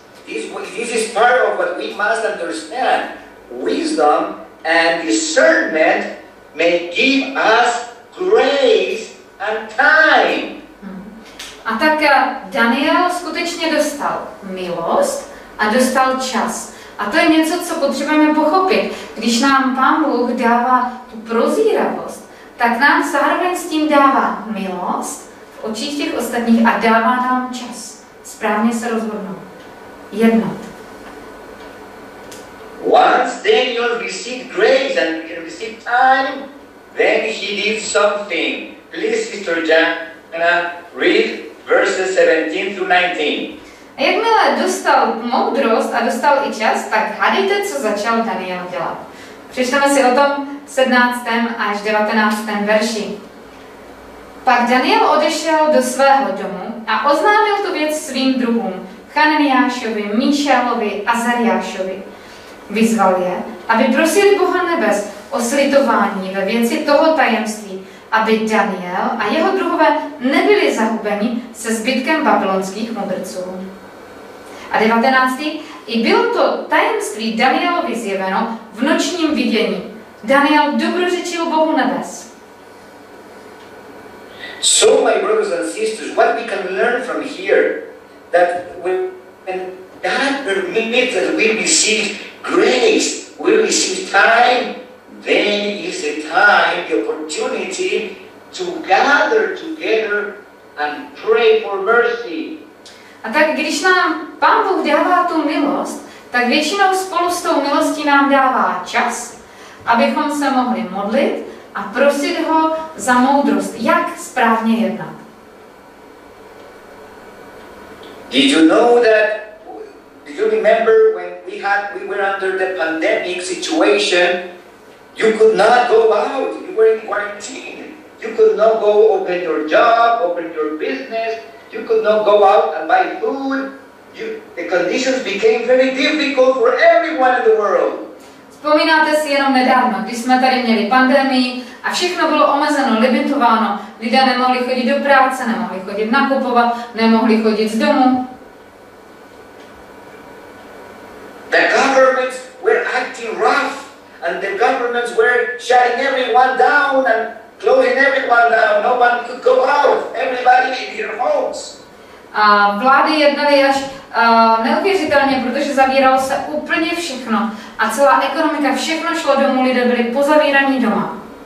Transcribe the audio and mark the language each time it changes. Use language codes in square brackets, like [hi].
[en] This is part of what we must understand. Wisdom and discernment may give us grace and time. [cs] A tak Daniel skutečně dostal milost a dostal čas. A to je něco, co potřebujeme pochopit. Když nám Pán Bůh dává tu prozíravost, tak nám zároveň s tím dává milost v očích těch ostatních a dává nám čas správně se rozhodnout. Jednat. [en] Once Daniel received grace and received time, then he did something. Please, Sister Jana, read verses 17 through 19. [cs] A jakmile dostal moudrost a dostal i čas, tak hádejte, co začal Daniel dělat. Přečteme si o tom 17. až 19. verši. Pak Daniel odešel do svého domu a oznámil tu věc svým druhům, Chananiášovi, Míšálovi a Azariášovi. Vyzval je, aby prosili Boha nebes o slitování ve věci toho tajemství, aby Daniel a jeho druhové nebyli zahubeni se zbytkem babylonských mudrců. A 19. I bylo to tajemství Danielovi zjeveno v nočním vidění. Daniel dobrořečil Bohu nebes. [en] So my brothers and sisters, what we can learn from here, that when God permits that we receive grace, we receive time, then is the time, the opportunity to gather together and pray for mercy. [cs] A tak když nám Pán Bůh dává tu milost, tak většinou spolu s tou milostí nám dává čas, abychom se mohli modlit a prosit ho za moudrost, jak správně jednat. [en] Did you know that, did you remember when we were under the pandemic situation, you could not go out, you were in quarantine. You could not go open your job, open your business, you could not go out and buy food. The conditions became very difficult for everyone in the world. [cs] Vzpomínáte si jenom nedávno, když jsme tady měli pandemii a všechno bylo omezeno, limitováno. Lidé nemohli chodit do práce, nemohli chodit nakupovat, nemohli chodit z domu. [en] The governments were acting rough and the governments were shutting everyone down and closing everyone down. No one could go out. Everybody in their homes. [cs] A vlády jednaly až neuvěřitelně, protože zavíralo se úplně všechno a celá ekonomika, všechno šlo domů, lidé byli pozavíraní doma.